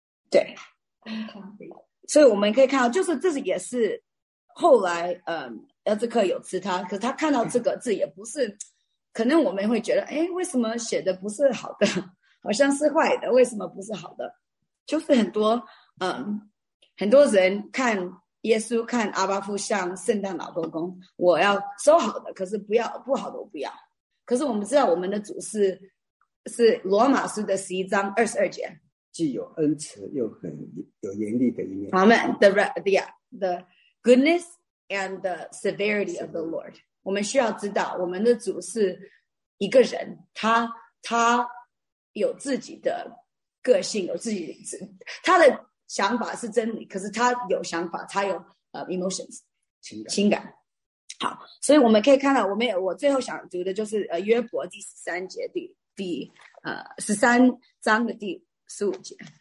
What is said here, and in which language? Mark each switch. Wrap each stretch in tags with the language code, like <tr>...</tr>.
<zh>对，所以我们可以看到，就是这也是后来埃兹克有吃它，可是他看到这个字也不是，可能我们会觉得哎，为什么写的不是好的，好像是坏的，为什么不是好的，就是很多很多人看耶稣看阿爸父像圣诞老公公，我要收好的，可是不要不好的我不要。可是我们知道我们的主是罗马书的十一章二十二节，既有恩慈又很有严厉的一面。</zh> <en>Amen. The goodness and the severity of the Lord.</en> <zh>我们需要知道我们的主是一个人，他有自己的个性，有自己的他的想法是真理，可是他有想法，他有emotions 情感。好，所以我们可以看到，我最后想读的就是约伯第十三节十三章的第十五节。</zh>